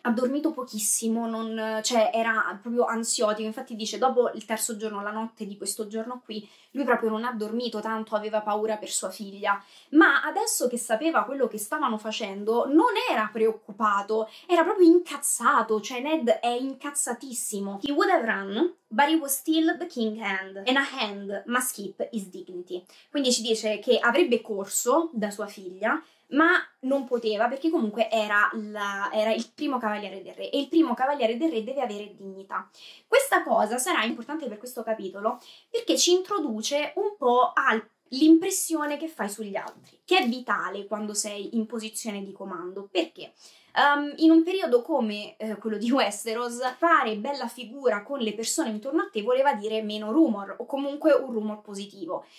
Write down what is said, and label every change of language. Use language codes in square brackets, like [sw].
[it] Ha dormito pochissimo, cioè era proprio ansiotico. Infatti dice dopo il terzo giorno, la notte di questo giorno qui, lui proprio non ha dormito tanto, aveva paura per sua figlia. Ma adesso che sapeva quello che stavano facendo non era preoccupato, era proprio incazzato. Cioè Ned è incazzatissimo. [en] He would have run, but he was still the king's hand, and a hand must keep his dignity. [it] Quindi ci dice che avrebbe corso da sua figlia, ma non poteva, perché comunque era il primo cavaliere del re, e il primo cavaliere del re deve avere dignità. Questa cosa sarà importante per questo capitolo, perché ci introduce un po' all'impressione che fai sugli altri, che è vitale quando sei in posizione di comando, perché in un periodo come quello di Westeros, fare bella figura con le persone intorno a te voleva dire meno rumor, o comunque un rumor positivo.